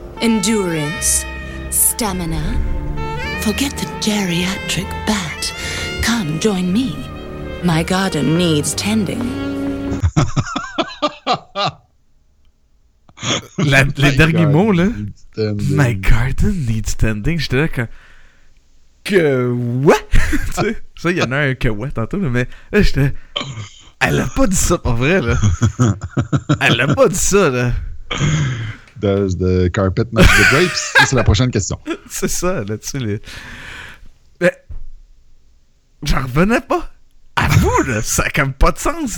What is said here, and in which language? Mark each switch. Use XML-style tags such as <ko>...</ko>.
<en>Endurance, stamina. Forget the geriatric bat. Come join me. My garden needs tending.</en> <fr>les derniers mots, là.</fr> <en>My garden needs tending.</en> <fr>J'étais là que... Que... What? Tu sais, ça, il y en a un que what tantôt, mais... Là, j'étais... Elle a pas dit ça, pas vrai, là. Elle a pas dit ça, là.</fr> <en>Does the carpet match the drapes?</en> <fr>C'est la prochaine question. C'est ça, là, tu sais, les... Mais... J'en revenais pas. À vous, là, ça a comme pas de sens.</fr>